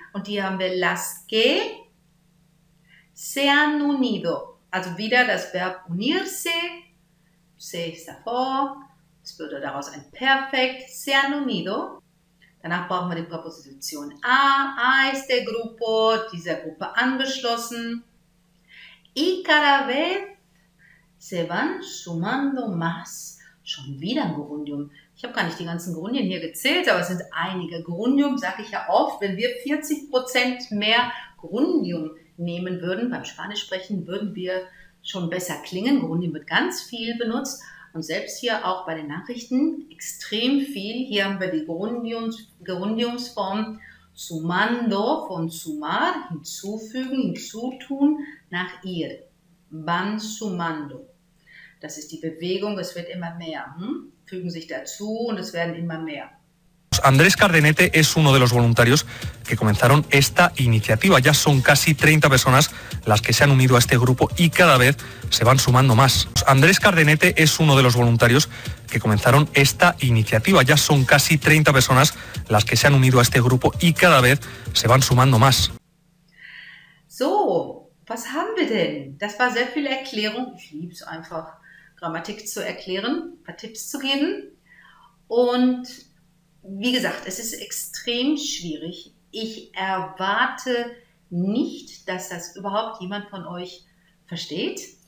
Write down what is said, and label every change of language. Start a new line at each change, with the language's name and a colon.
German: Und die haben wir
Spanish: las que se han unido.
German: Also wieder das Verb unirse, se ist davor, es würde daraus ein Perfekt, se han unido. Danach brauchen wir die Präposition a, a ist der Grupo, dieser Gruppe angeschlossen.
Spanish: Y cada vez se van sumando más.
German: Schon wieder ein Gerundium. Ich habe gar nicht die ganzen Gerundien hier gezählt, aber es sind einige. Gerundium sage ich ja oft, wenn wir 40% mehr Gerundium nehmen würden, beim Spanisch sprechen, würden wir schon besser klingen. Gerundium wird ganz viel benutzt und selbst hier auch bei den Nachrichten extrem viel. Hier haben wir die Gerundiumsform sumando von sumar, hinzufügen, hinzutun, nach ir, van sumando. Das ist die Bewegung, es wird immer mehr, fügen sich dazu und es werden immer mehr.
Spanish: Andrés Cardenete es uno de los voluntarios que comenzaron esta iniciativa. Ya son casi 30 personas las que se han unido a este grupo y cada vez se van sumando más. Andrés Cardenete es uno de los voluntarios que comenzaron esta iniciativa. Ya son casi 30 personas las que se han unido a este grupo y cada vez se van sumando más.
German: So, was haben wir denn? Das war sehr viel Erklärung. Ich lieb's einfach, Grammatik zu erklären, ein paar Tipps zu geben. Und wie gesagt, es ist extrem schwierig. Ich erwarte nicht, dass das überhaupt jemand von euch versteht.